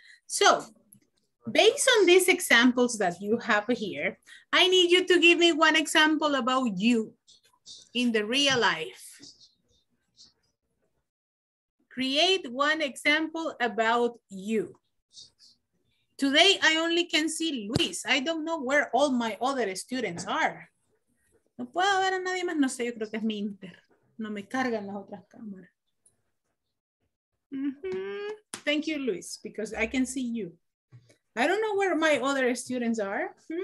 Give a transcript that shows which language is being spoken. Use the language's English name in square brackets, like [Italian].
[English] So based on these examples that you have here, I need you to give me one example about you in the real life. Create one example about you. Today, I only can see Luis. I don't know where all my other students are. [Spanish] No puedo ver a nadie más. No sé, yo creo que es mi inter. No me cargan las otras cámaras. [English] Thank you, Luis, because I can see you. I don't know where my other students are.